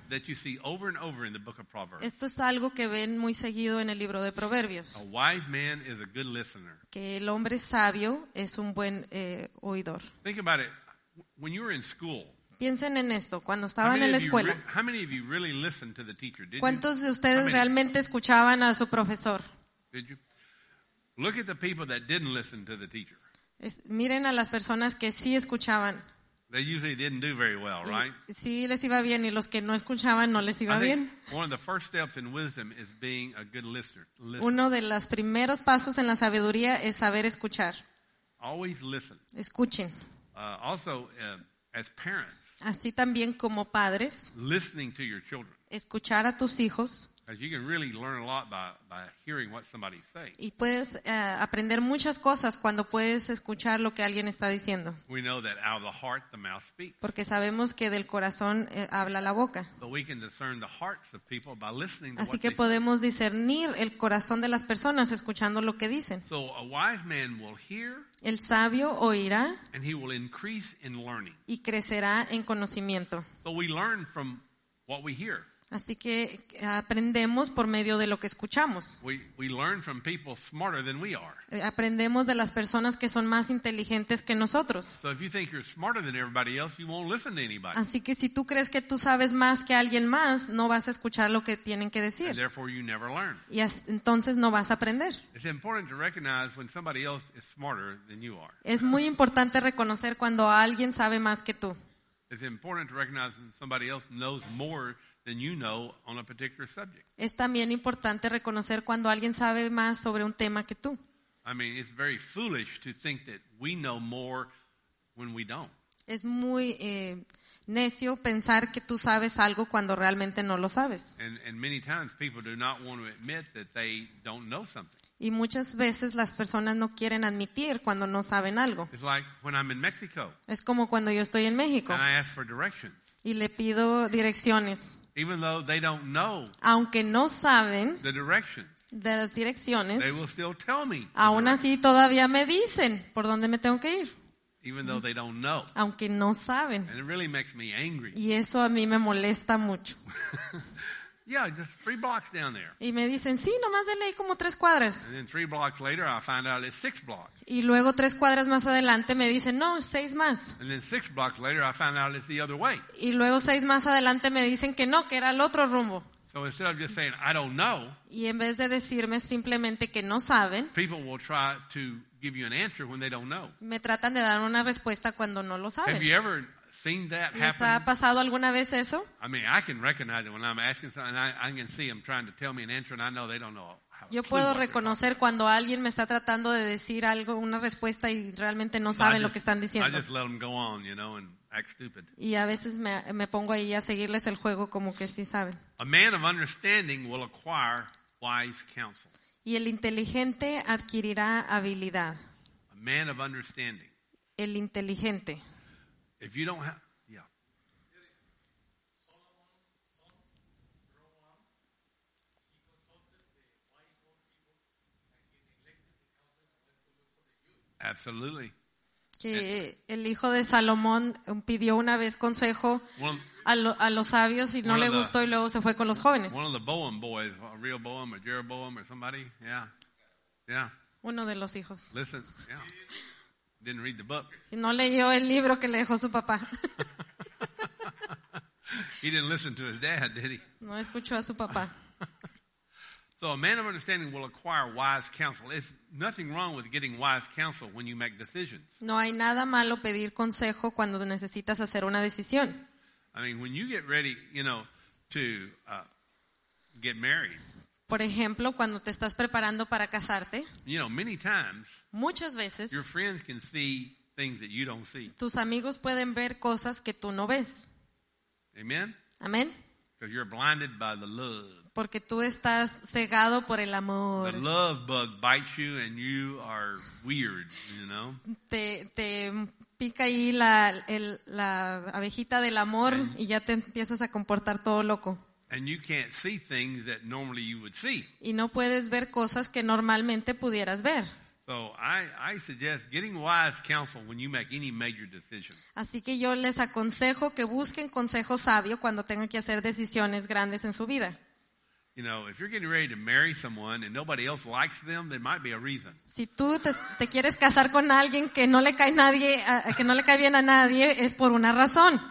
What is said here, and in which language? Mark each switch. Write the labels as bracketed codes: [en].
[en] That you see over and over in the book of Proverbs. [es] Esto es algo que ven muy seguido en el libro de Proverbios. [en] A wise man is a good listener. [es] Que el hombre sabio es un buen oidor. [en] Think about it. When you were in school. [es] Piensen en esto. Cuando estaban en la escuela. [en] How many of you really listened to the teacher? Did [es] ¿cuántos [en] you? [es] De ustedes realmente escuchaban a su profesor? [en] Did you? Look at the people that didn't listen to the teacher. [es] Miren a las personas que sí escuchaban. [en] They usually didn't do very well, right? [es] Sí, les iba bien, y los que no escuchaban no les iba bien. [en] One of the first steps in wisdom is being a good listener. [es] Uno de los primeros pasos en la sabiduría es saber escuchar. [en] Always listen. [es] Escuchen. [en] As parents. [es] Así también como padres. [en] Listening to your children. [es] Escuchar a tus hijos. [en] Because you can really learn a lot by hearing what somebody says. [es] Y puedes aprender muchas cosas cuando puedes escuchar lo que alguien está diciendo. [en] We know that out of the heart the mouth speaks. [es] Porque sabemos que del corazón habla la boca. [en] But we can discern the hearts of people by listening to what they say. [es] Así que podemos discernir el corazón de las personas escuchando lo que dicen. [en] So a wise man will hear. [es] El sabio oirá. [en] And he will increase in learning. [es] Y crecerá en conocimiento. [en] So we learn from what we hear. [es] Así que aprendemos por medio de lo que escuchamos. [en] We learn from people smarter than we are. [es] Aprendemos de las personas que son más inteligentes que nosotros. [en] So if you think you're smarter than everybody else, you won't listen to anybody. [es] Así que si tú crees que tú sabes más que alguien más, no vas a escuchar lo que tienen que decir. [en] And therefore you never learn. [es] Y entonces no vas a aprender. [en] It's important to recognize when somebody else is smarter than you are. [es] Es muy importante reconocer cuando alguien sabe más que tú. [en] It's important to recognize when somebody else knows more than you know on a particular subject. [es] Es también importante reconocer cuando alguien sabe más sobre un tema que tú. [en] I mean, it's very foolish to think that we know more when we don't. [es] Es muy necio pensar que tú sabes algo cuando realmente no lo sabes. [en] And many times people do not want to admit that they don't know something. [es] Y muchas veces las personas no quieren admitir cuando no saben algo. [en] It's like when I'm in Mexico. [es] Es como cuando yo estoy en México. [en] And I ask for directions. [es] Y le pido direcciones. [en] Even though they don't know, [es] aunque no saben [en] the direction, [es] de las direcciones, [en] they will still tell me. [es] Aún así, todavía me dicen por dónde me tengo que ir. [en] Even though they don't know, [es] aunque no saben, [en] and it really makes me angry. [es] Y eso a mí me molesta mucho. [en] Yeah, just 3 blocks down there. [es] Y me dicen, sí, nomás dele ahí como 3 cuadras. [en] And then 3 blocks later, I find out it's 6 blocks. [es] Y luego 3 cuadras más adelante me dicen, no, 6 más. [en] And then 6 blocks later, I find out it's the other way. [es] Y luego 6 más adelante me dicen que no, que era el otro rumbo. [en] So instead of just saying, I don't know. [es] Y en vez de decirme simplemente que no saben. [en] People will try to give you an answer when they don't know. [es] Me tratan de dar una respuesta cuando no lo saben. [en] Have you ever seen that happen? [es] ¿Les ha pasado alguna vez eso? [en] I mean, I can recognize it when I'm asking something. I can see them trying to tell me an answer, and I know they don't know. [es] Yo puedo reconocer cuando alguien me está tratando de decir algo, una respuesta, y realmente no saben lo que están diciendo. [en] I just let them go on, you know, and act stupid. [es] Y a veces me pongo ahí a seguirles el juego como que sí saben. [en] A man of understanding will acquire wise counsel. [es] Y el inteligente adquirirá habilidad. [en] A man of understanding. [es] El inteligente. [en] If you don't have, yeah. Absolutely. [es] Que el hijo de Salomón pidió una vez consejo a los sabios y no le gustó y luego se fue con los jóvenes. [en] One of the Boam boys, a real Boam or Jeroboam or somebody, yeah, yeah. [es] Uno de los hijos. [en] Listen, yeah. Didn't read the book. [es] No leyó el libro que le dejó su papá. [en] He didn't listen to his dad, did he? [es] No escuchó a su papá. [en] So a man of understanding will acquire wise counsel. It's nothing wrong with getting wise counsel when you make decisions. [es] No hay nada malo pedir consejo cuando necesitas hacer una decisión. [en] I mean, when you get ready, you know, to get married. [es] Por ejemplo, cuando te estás preparando para casarte. [en] You know, many times. [es] Muchas veces. [en] Your friends can see things that you don't see. [es] Tus amigos pueden ver cosas que tú no ves. [en] Amen. [es] Amen. [en] Because you're blinded by the love. [es] Porque tú estás cegado por el amor. [en] The love bug bites you and you are weird, you know. [es] Te pica ahí la abejita del amor y ya te empiezas a comportar todo loco. [en] And you can't see things that normally you would see. [es] Y no puedes ver cosas que normalmente pudieras ver. [en] So I suggest getting wise counsel when you make any major decision. [es] Así que yo les aconsejo que busquen consejo sabio cuando tengan que hacer decisiones grandes en su vida. [en] You know, if you're getting ready to marry someone and nobody else likes them, there might be a reason. [es] Si tú te quieres casar con alguien que no le cae nadie, que no le cae bien a nadie, es por una razón.